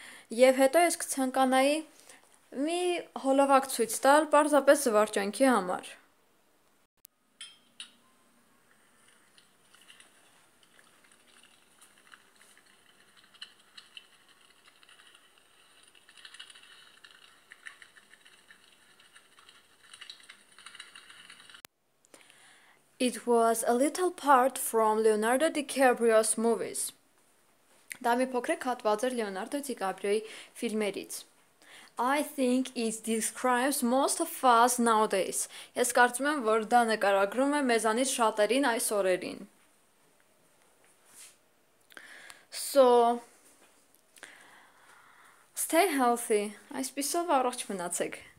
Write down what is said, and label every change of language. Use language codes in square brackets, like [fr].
[hy] Եվ հետո ես կցանկանայի մի հոլովակ ցույց տալ պարզապես զվարճանքի համար։ [en] It was a little part from Leonardo DiCaprio's movies. [hy] Դա մի փոքր հատված էր Լեոնարդո Դիկապրիոյի ֆիլմերից. [en] I think it describes most of us nowadays. [hy] Ես կարծում եմ, որ դա նկարագրում է մեզանից շատերին այս օրերին. [en] So stay healthy. [hy] Այսպիսով առողջ մնացեք.